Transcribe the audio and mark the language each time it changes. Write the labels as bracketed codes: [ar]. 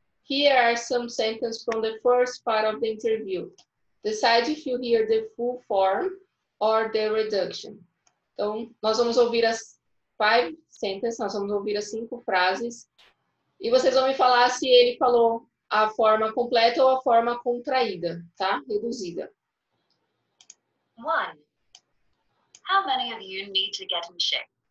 [en] Here are some sentences from the first part of the interview. Decide if you hear the full form or the reduction. [pt] Então, nós vamos ouvir as 5 sentences, nós vamos ouvir as 5 frases. E vocês vão me falar se ele falou a forma completa ou a forma contraída, tá? Reduzida. 1. [en] How many of you need to get in shape?